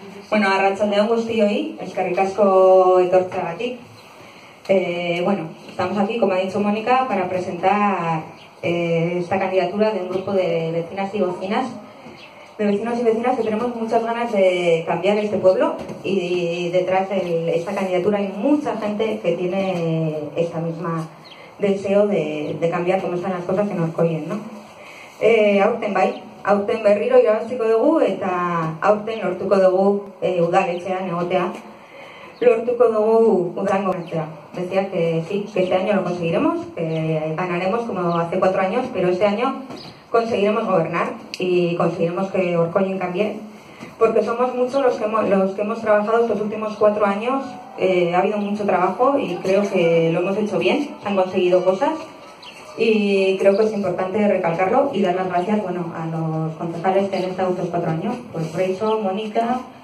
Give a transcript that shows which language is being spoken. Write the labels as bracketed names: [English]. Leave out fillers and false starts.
[Basque] Bueno, arratsaldeon guztioi, eskerrik asko etortzeagatik. [Spanish] Bueno, estamos aquí, como ha dicho Mónica, para presentar esta candidatura de un grupo de vecinas y vecinas, de vecinos y vecinas que tenemos muchas ganas de cambiar este pueblo, y detrás de esta candidatura hay mucha gente que tiene esta misma deseo de cambiar cómo están las cosas que nos coyen, ¿no? [Basque] Aurten bai, aurten berriro irabaziko dugu eta aurten lortuko dugu udaletxean egotea. Lortuko dugu udan gobernatzea. [Spanish] Decía que sí, que este año lo conseguiremos, que ganaremos como hace 4 años, pero este año conseguiremos gobernar y conseguiremos que Orkoiñen cambie, porque somos muchos los que hemos trabajado estos últimos 4 años, ha habido mucho trabajo y creo que lo hemos hecho bien, han conseguido cosas y creo que es importante recalcarlo y dar las gracias, bueno, a los concejales que han estado estos 4 años, pues Reixo, Mónica,